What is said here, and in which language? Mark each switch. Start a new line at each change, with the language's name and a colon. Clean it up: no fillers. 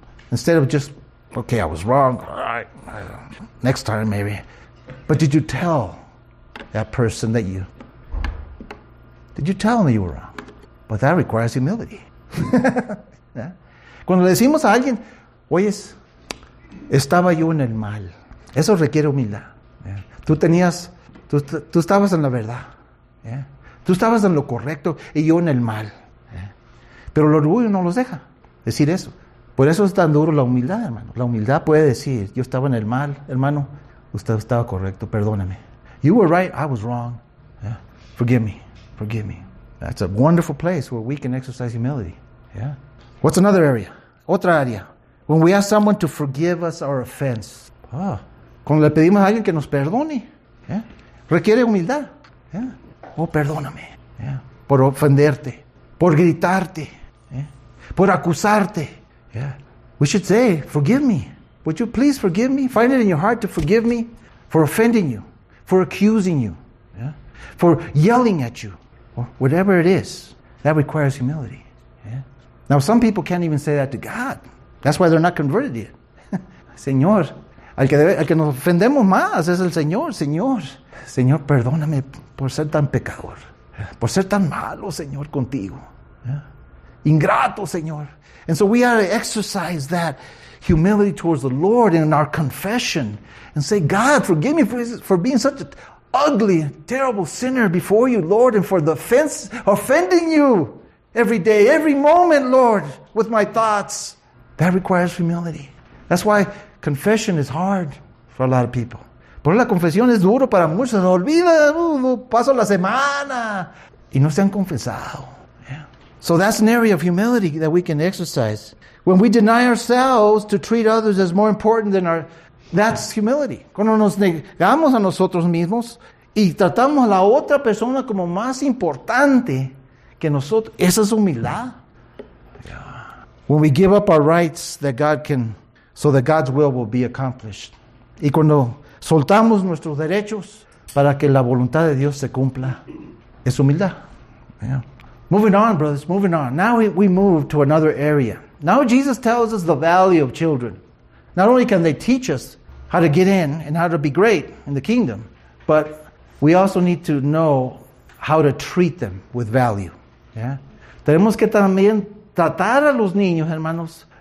English: Instead of just, okay, I was wrong, all right, next time maybe. But did you tell that person that you, did you tell them that you were wrong? But that requires humility. Yeah.
Spanish: Cuando le decimos a alguien, oye, estaba yo en el mal. Eso requiere humildad. Yeah. Tú estabas en la verdad. Yeah. Tú estabas en lo correcto y yo en el mal. Pero el orgullo no los deja decir eso. Por eso es tan duro la humildad, hermano. La humildad puede decir, yo estaba en el mal, hermano, usted estaba correcto, perdóname.
English: You were right, I was wrong. Yeah. Forgive me. That's a wonderful place where we can exercise humility. Yeah. What's another area?
Spanish: Otra área.
English: When we ask someone to forgive us our offense. Oh.
Spanish: Cuando le pedimos a alguien que nos perdone. Yeah. Requiere humildad. Yeah. Oh, perdóname. Yeah. Por ofenderte. Por gritarte. Por acusarte. Yeah.
English: We should say, forgive me. Would you please forgive me? Find it in your heart to forgive me for offending you, for accusing you, yeah, for yelling at you, or whatever it is. That requires humility. Yeah. Now, some people can't even say that to God. That's why they're not converted yet.
Spanish: Señor, al que nos ofendemos más es el Señor. Señor, Señor, perdóname por ser tan pecador, por ser tan malo, Señor, contigo. Yeah. Ingrato, Señor.
English: And so we ought to exercise that humility towards the Lord in our confession and say, God, forgive me for being such an ugly, terrible sinner before you, Lord, and for the offense, offending you every day, every moment, Lord, with my thoughts. That requires humility. That's why confession is hard for a lot of people.
Spanish: Pero la confesión es duro para muchos. Olvida, paso la semana. Y no se han confesado.
English: So that's an area of humility that we can exercise. When we deny ourselves to treat others as more important than our... That's humility.
Spanish: Cuando nos negamos a nosotros mismos y tratamos a la otra persona como más importante que nosotros. Esa es humildad.
English: When we give up our rights that God can... So that God's will be accomplished.
Spanish: Y cuando soltamos nuestros derechos para que la voluntad de Dios se cumpla. Es humildad.
English: Yeah. Moving on, brothers, moving on. Now we move to another area. Now Jesus tells us the value of children. Not only can they teach us how to get in and how to be great in the kingdom, but we also need to know how to treat them with value. Yeah?
Spanish: Tenemos que también tratar a los niños, hermanos,